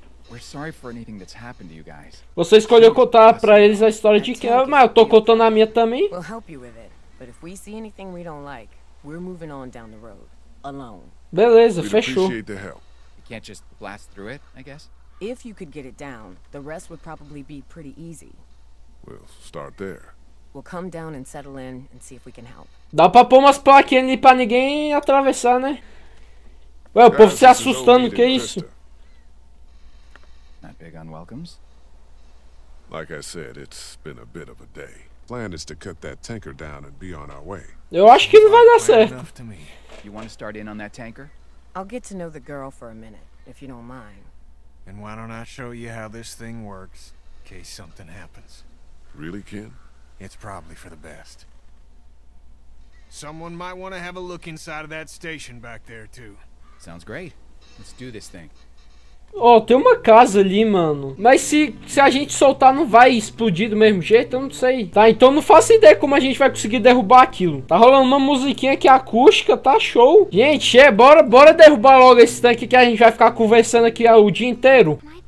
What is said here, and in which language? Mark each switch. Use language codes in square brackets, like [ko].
[en] We're sorry for anything that's happened to you guys. [pt] Você escolheu contar pra eles a história de Kenny, mas eu tô contando a minha também. [en] We'll help you with it, but if we see anything we don't like, we're moving on down the road, alone. [pt] Beleza, fechou. [en] Appreciate the help. You can't just blast through it, I guess? If you could get it down, the rest would probably be pretty easy. We'll start there. We'll come down and settle in and see if we can help. [pt] Dá pra pôr umas plaquinhas ali pra ninguém atravessar, né? Ué, o povo se assustando, que é isso? [en] Not big on welcomes? Like I said, it's been a bit of a day. Plan is to cut that tanker down and be on our way. [pt] Eu acho que não vai dar certo. [en] You want to start in on that tanker? I'll get to know the girl for a minute, if you don't mind. And why don't I show you how this thing works, in case something happens? Really, Ken? It's probably for the best. Someone might want to have a look inside of that station back there, too. Sounds great. Let's do this thing. [pt] Oh, tem uma casa ali, mano. Mas se a gente soltar, não vai explodir do mesmo jeito? Eu não sei. Tá, então não faço ideia como a gente vai conseguir derrubar aquilo. Tá rolando uma musiquinha aqui acústica, tá show. Gente, é, bora derrubar logo esse tanque que a gente vai ficar conversando aqui o dia inteiro.